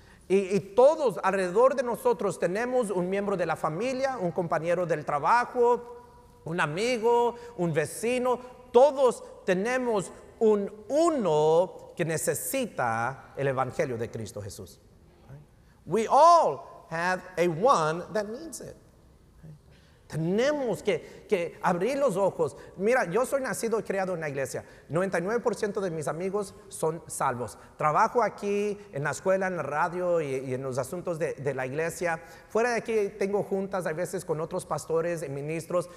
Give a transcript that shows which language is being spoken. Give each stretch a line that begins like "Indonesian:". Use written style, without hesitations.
Spanish: Y todos alrededor de nosotros tenemos un miembro de la familia, un compañero del trabajo, un amigo, un vecino. Todos tenemos un uno que necesita el evangelio de Cristo Jesús.
English: We all have a one that needs it.
Spanish: Tenemos que abrir los ojos. Mira, yo soy nacido y criado en la iglesia. 99% de mis amigos son salvos. Trabajo aquí en la escuela, en la radio y en los asuntos de la iglesia. Fuera de aquí tengo juntas a veces con otros pastores y ministros.